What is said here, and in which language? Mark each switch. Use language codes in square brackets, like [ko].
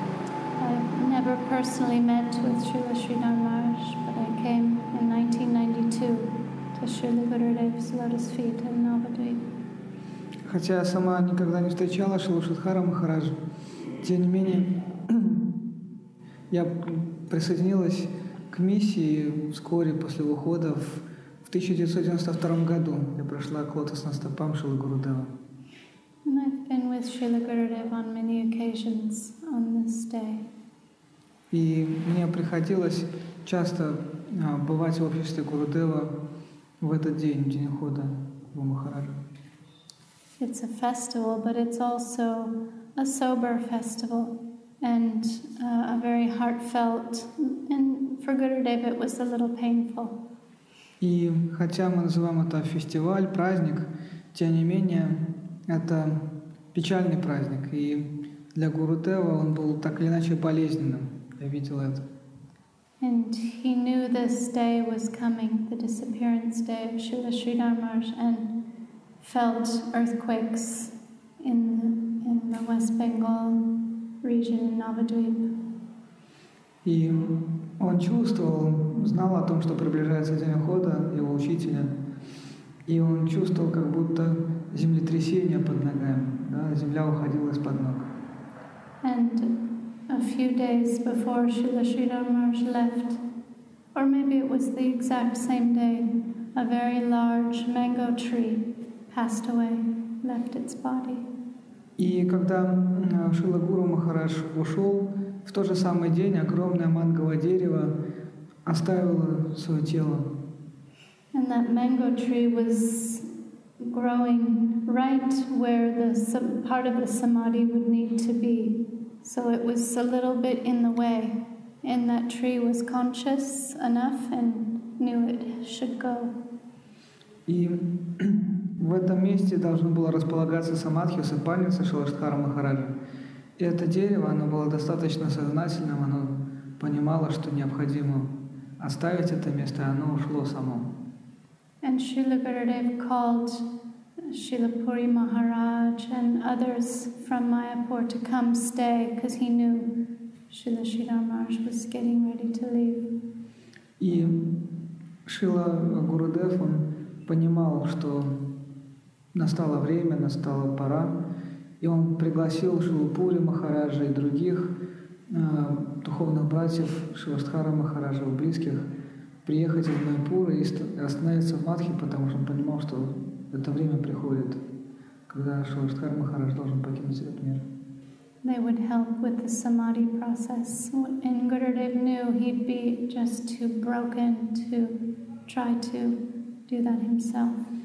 [en] I never personally met with Srila Sridhar Maharaj, but I came in 1992 to Srila Gurudev's lotus feet in Navadvip. [ru] Хотя я сама никогда не встречала Шрилу Шридхара Махараджа, тем не менее я присоединилась к миссии вскоре после ухода в 1992 году. Я прошла к лотосностопам Шрилы Гурудева. [en] And I've been with Srila Gurudev on many occasions on this day. [ru] И мне приходилось часто бывать в обществе Гурудева в этот день, день ухода в Махараджа. [en] It's a festival, but it's also a sober festival and a very heartfelt, and for Gurudev it was a little painful. [ru] И хотя мы называем это фестиваль, праздник, тем не менее это печальный праздник, и для Гурудева он был так или иначе болезненным. Я видел это. [en] And he knew this day was coming, the disappearance day of Srila Sridhar Maharaj, and felt earthquakes in the West Bengal region in Navadvip. [ru] И он чувствовал, знал о том, что приближается день ухода его учителя, и он чувствовал, как будто землетрясение под ногами, да, земля уходила из-под ног. [en] And a few days before Srila Sridhar Maharaj left, or maybe it was the exact same day, a very large mango tree passed away, left its body. [ru] И когда Шрила Гуру Махарадж ушел, в тот же самый день огромное манговое дерево оставило свое тело. [en] And that mango tree was growing right where the part of the samadhi would need to be. So it was a little bit in the way, and that tree was conscious enough and knew it should go. [ru] И в этом месте должно было располагаться самадхи, усыпальница Шаваштхара Махараджа. И это дерево, оно было достаточно сознательным, оно понимало, что необходимо оставить это место, и оно ушло само. [en] And Srila Gurudev called Srila Puri Maharaj and others from Mayapur to come stay, because he knew Srila Sridhar Maharaj was getting ready to leave. [ru] И Шрила Гурудев, он понимал, что настало время, настала пора, и он пригласил Шрилу Пури Махараджа и других духовных братьев Шивастхара Махараджа, близких, приехать в Майпур и остановиться в Мадхи, потому что он понимал, что это время приходит, когда Шивастхар Махарадж должен покинуть этот мир. [en] They would help with the samadhi process. And Gurudev knew he'd be just too broken to try to do that himself.